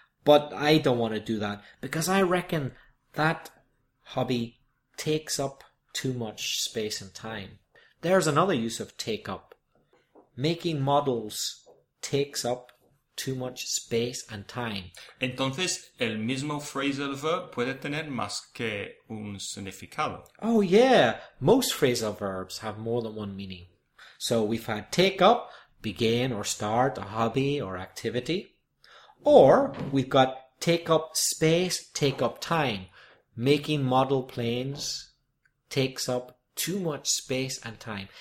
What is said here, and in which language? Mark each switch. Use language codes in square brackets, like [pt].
[en] But I don't want to do that because I reckon that hobby takes up too much space and time. There's another use of take up. Making models takes up too much space and time. [es] Entonces, el mismo phrasal verb puede tener más que un significado. [en] Oh, yeah. Most phrasal verbs have more than one meaning. So we've had take up, begin or start a hobby or activity. Or we've got take up space, take up time. Making model planes takes up too much space and time.